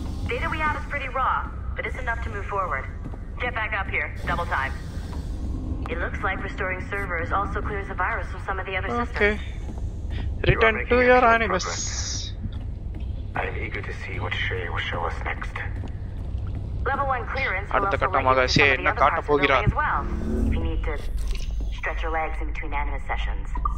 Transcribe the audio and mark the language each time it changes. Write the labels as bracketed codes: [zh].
[en] Data we have is pretty raw, but it's enough to move forward. Get back up here. Double time. It looks like restoring servers also clears the virus from some of the other systems. Okay. Return to your animus. I'm eager to see what Shay will show us next. Level 1 clearance. [ta] அடுத்த கட்டமாக ஷே என்ன காட்ட போகிறார்? [en] We need to stretch your legs in between animus sessions.